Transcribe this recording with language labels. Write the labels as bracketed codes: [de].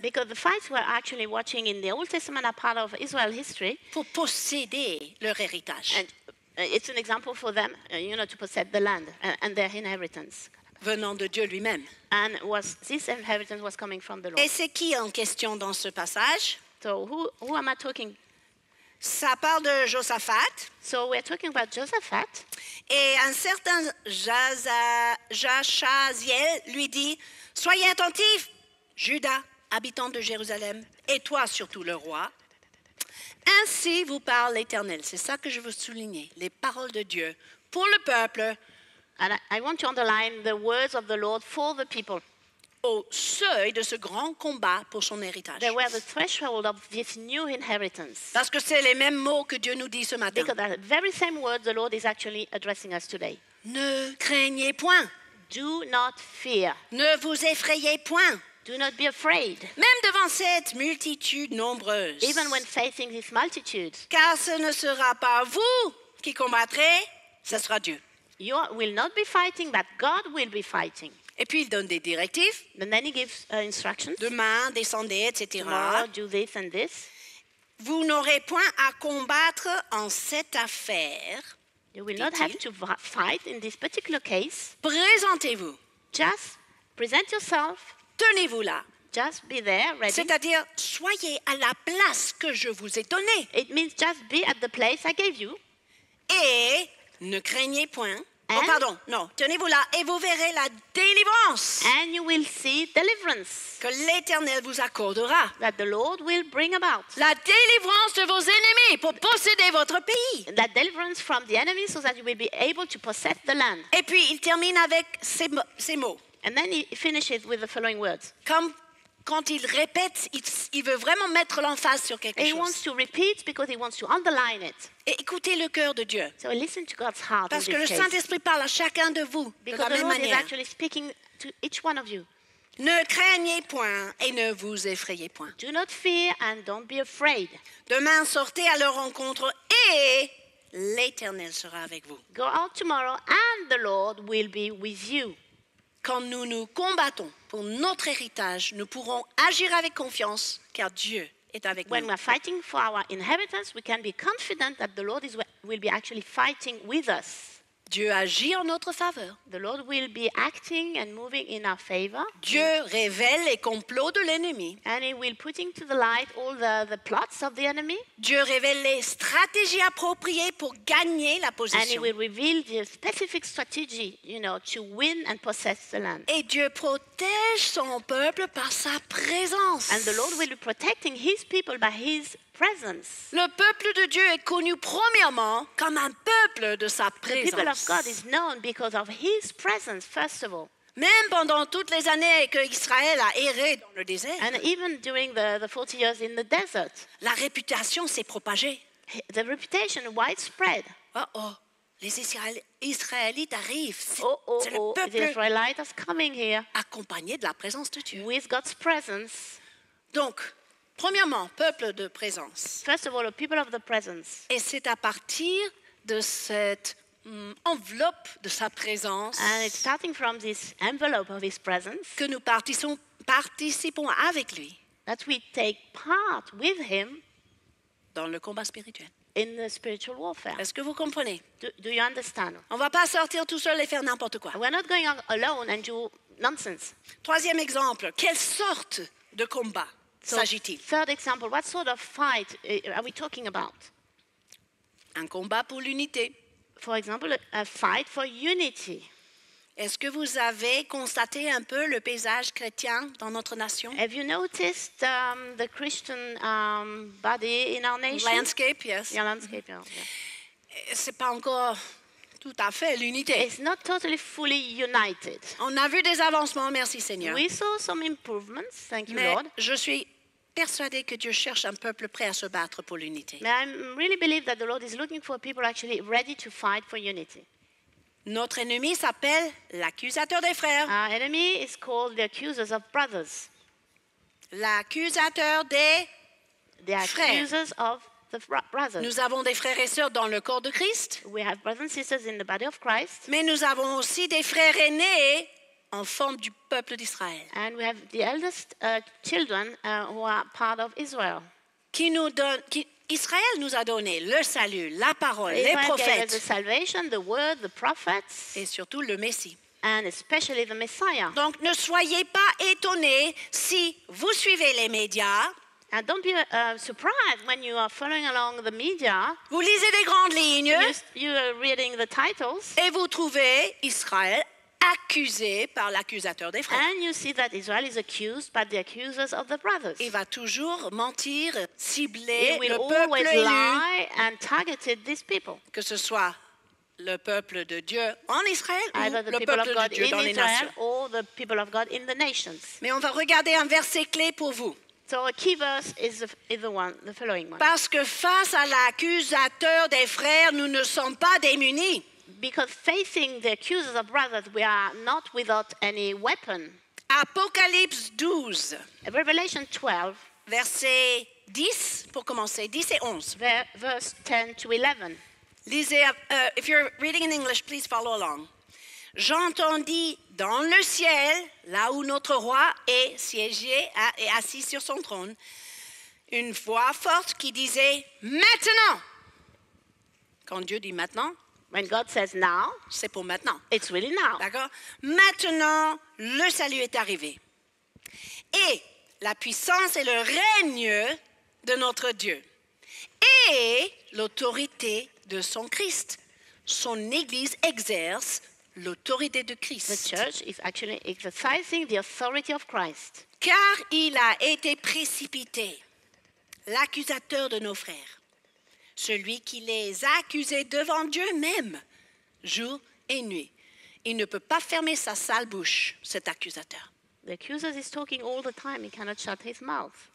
[en] Because the fights we're actually watching in the Old Testament are part of Israel's history. [fr] Pour posséder leur héritage. [en] And it's an example for them, you know, to possess the land and their inheritance. [fr] Venant de Dieu lui-même. [en] And was this inheritance was coming from the Lord. [fr] Et c'est qui en question dans ce passage? [en] So who am I talking? [fr] Ça parle de Josaphat. [en] So we're talking about Josaphat. [fr] Et un certain Jaazaziel lui dit, soyez attentifs, Judas, habitant de Jérusalem, et toi surtout le roi. Ainsi vous parle l'Éternel. C'est ça que je veux souligner. Les paroles de Dieu pour le peuple. [en] And I want to underline the words of the Lord for the people. [fr] Au seuil de ce grand combat pour son héritage. [en] They were the threshold of this new inheritance. [fr] Parce que c'est les mêmes mots que Dieu nous dit ce matin. [en] Because the very same words the Lord is actually addressing us today. [fr] Ne craignez point. [en] Do not fear. [fr] Ne vous effrayez point. [en] Do not be afraid. [fr] Même devant cette multitude nombreuse. [en] Even when facing this multitude. [fr] Car ce ne sera pas vous qui combattrez, ce sera Dieu. [en] You will not be fighting, but God will be fighting. [fr] Et puis il donne des directives. [en] And then he gives instructions. [fr] Demain, descendez, etc. [en] Tomorrow, do this and this. [fr] Vous n'aurez point à combattre en cette affaire. [en] You will not have to fight in this particular case. [fr] Présentez-vous. [en] Just present yourself. [fr] Tenez-vous là. [en] Just be there, ready. [fr] C'est-à-dire, soyez à la place que je vous ai donnée. [en] It means just be at the place I gave you. [fr] Et ne craignez point. [en] And oh, [fr] pardon, non. Tenez-vous là et vous verrez la délivrance. [en] And you will see deliverance. [fr] Que l'Éternel vous accordera. [en] That the Lord will bring about. [fr] La délivrance de vos ennemis pour posséder votre pays. [en] The deliverance from the enemy so that you will be able to possess the land. [fr] Et puis, il termine avec ces mots. [en] And then he finishes with the following words. [fr] Comme quand il répète, il veut vraiment mettre l'emphase sur quelque [en] he [fr] chose. [en] He wants to repeat because he wants to underline it. [fr] Et écoutez le cœur de Dieu. [en] So listen to God's heart. [fr] Parce que le Saint-Esprit parle à chacun de vous [en] because [fr] de la même manière. [en] Because the Lord is actually speaking to each one of you. [fr] Ne craignez point et ne vous effrayez point. [en] Do not fear and don't be afraid. [fr] Demain sortez à leur rencontre et l'Éternel sera avec vous. [en] Go out tomorrow and the Lord will be with you. [fr] Quand nous nous combattons pour notre héritage, nous pourrons agir avec confiance car Dieu est avec [en] when [fr] nous. [en] When we're fighting for our inheritance, we can be confident that the Lord will be actually fighting with us. [fr] Dieu agit en notre faveur. [en] The Lord will be acting and moving in our favor. [fr] Dieu révèle les complots de l'ennemi. [en] And he will put into the light all the plots of the enemy. [fr] Dieu révèle les stratégies appropriées pour gagner la position. [en] And he will reveal the specific strategy, you know, to win and possess the land. [fr] Et Dieu protège son peuple par sa présence. [en] And the Lord will be protecting his people by his presence. [fr] Le peuple de Dieu est connu premièrement comme un peuple de sa présence. [en] The people of God is known because of his presence, first of all. [fr] Même pendant toutes les années que Israël a erré dans le désert. [en] And even during the 40 years in the desert. [fr] La réputation s'est propagée. [en] The reputation widespread. [fr] Oh, les Israélites arrivent. [en] The Israelites are coming here. [fr] Accompagnés de la présence de Dieu. [en] With God's presence. [fr] Donc, premièrement, peuple de présence. [en] First of all, the people of the presence. [fr] Et c'est à partir de cette enveloppe de sa présence. [en] And it's starting from this envelope of his presence. [fr] Que nous participons avec lui. [en] That we take part with him. [fr] Dans le combat spirituel. [en] In the spiritual warfare. [fr] Est-ce que vous comprenez? [en] Do you understand? [fr] On ne va pas sortir tout seul et faire n'importe quoi. [en] We're not going alone and do nonsense. [fr] Troisième exemple. Quelle sorte de combat? [en] So, third example, what sort of fight are we talking about? [fr] Un combat pour l'unité. [en] For example, a fight for unity. [fr] Est-ce que vous avez constaté un peu le paysage chrétien dans notre nation? [en] Have you noticed the Christian body in our nation? Landscape, yes. Yeah, landscape, yeah. [fr] C'est pas encore tout à fait l'unité. [en] It's not totally fully united. [fr] On a vu des avancements, merci Seigneur. [en] We saw some improvements, thank you [fr] Mais [en] Lord. [fr] Je suis persuadée que Dieu cherche un peuple prêt à se battre pour l'unité. [en] But I really believe that the Lord is looking for people actually ready to fight for unity. [fr] Notre ennemi s'appelle l'accusateur des frères. [en] Our enemy is called the accusers of brothers. [fr] L'accusateur des [en] the accusers of the brothers. [fr] Nous avons des frères et sœurs dans le corps de Christ. [en] We have brothers and sisters in the body of Christ. [fr] Mais nous avons aussi des frères aînés en forme du peuple d'Israël. [en] And we have the eldest children who are part of Israel. [fr] Qui nous donne qui Israël nous a donné le salut, la parole, [en] Israel [fr] les prophètes. [en] The salvation, the word, the prophets, [fr] et surtout le Messie. [en] And especially the Messiah. [fr] Donc ne soyez pas étonnés si vous suivez les médias. [en] And don't be surprised when you are following along the media. [fr] Vous lisez des grandes lignes. [en] You are reading the titles. [fr] Et vous trouvez Israël accusé par l'accusateur des frères. [en] And you see that Israel is accused by the accusers of the brothers. [fr] Il va toujours mentir, cibler [en] he [fr] le peuple élu. [en] He will always lie and target these people. [fr] Que ce soit le peuple de Dieu en Israël [en] either [fr] ou le peuple [en] of God [fr] de Dieu [en] in [fr] dans [en] Israel [fr] les nations. [en] Or the people of God in the nations. [fr] Mais on va regarder un verset clé pour vous. [en] So a key verse is the one, the following one. [fr] Parce que face à l'accusateur des frères, nous ne sommes pas démunis. [en] Because facing the accusers of brothers, we are not without any weapon. [fr] Apocalypse 12. [en] Revelation 12. [fr] Verset 10, pour commencer, 10 et 11. [en] Verse 10 to 11. [fr] Lisez, [en] if you're reading in English, please follow along. [fr] J'entendis dans le ciel, là où notre roi est siégé et assis sur son trône, une voix forte qui disait, maintenant. Quand Dieu dit maintenant, [en] when God says now, [fr] c'est pour maintenant. [en] It's really now. [fr] D'accord? Maintenant, le salut est arrivé. Et la puissance et le règne de notre Dieu. Et l'autorité de son Christ. Son Église exerce l'autorité de Christ. [en] The church is actually exercising the authority of Christ. [fr] Car il a été précipité, l'accusateur de nos frères. Celui qui les a accusés devant Dieu même, jour et nuit. Il ne peut pas fermer sa sale bouche, cet accusateur. [en] The accuser is talking all the time. He cannot shut his mouth.